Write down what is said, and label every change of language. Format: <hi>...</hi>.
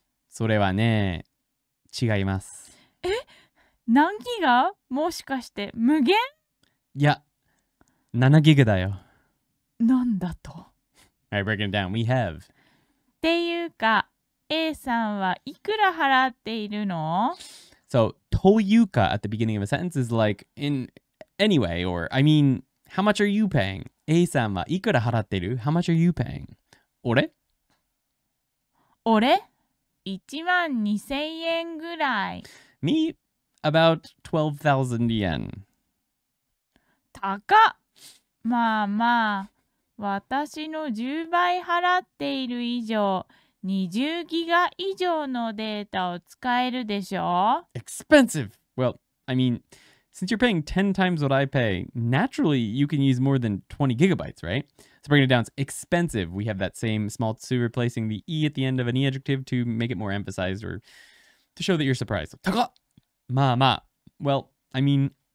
<ja>それはね、違います。え？何ギガ？もしかして無限？いや、7ギガだよ。なんだと？</ja> <en>All right, breaking it down. We have.</en> <ja>っていうか、A さんはいくら払っているの？</ja> <en>So, というか at the beginning of a sentence is like, inAnyway, or, I mean, how much are you paying? A-san wa ikura haratteru? How much are you paying? Ore?</en> <ja>Ore? 1万2000円ぐらい。</ja> <en>Me? About 12,000 yen.</en> <ja>高っ！まあまあ、私の10倍払っている以上、20ギガ以上のデータを使えるでしょ？</ja> <en>Expensive! Well, I mean... Since you're paying 10 times what I pay, naturally you can use more than 20 gigabytes, right? So bringing it down, it's expensive. We have that same small tsu replacing the e at the end of an e adjective to make it more emphasized or to show that you're surprised. Taka! Ma, ma. Well, I mean,</en>